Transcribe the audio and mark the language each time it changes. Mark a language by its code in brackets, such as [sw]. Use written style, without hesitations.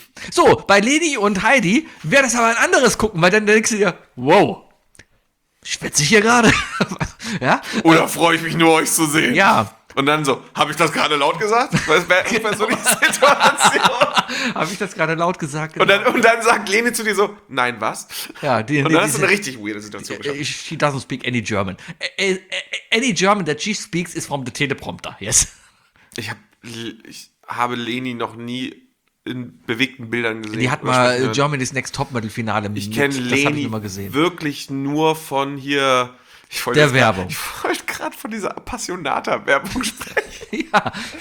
[de] So, bei Leni und Heidi wäre das aber ein anderes Gucken, weil dann denkst du dir, wow, schwitze ich hier gerade? Ja? Oder freue ich mich nur, euch zu sehen? Ja. Und dann so, habe ich das gerade laut gesagt? Das wäre eine persönliche Situation. Habe ich das gerade laut gesagt? Genau. Und dann sagt Leni zu dir so, nein, was? Ja, die, und dann hast du eine richtig weirde Situation geschafft. [en] She doesn't speak any German. Any German that she speaks is from the teleprompter, yes. [de] Ich habe Leni noch nie in bewegten Bildern gesehen. Die hat mal Germany's Next Topmodel Finale mit. Ich kenne Leni wirklich nur von hier... Werbung. Ich wollte gerade von dieser Appassionata-Werbung sprechen. Ja.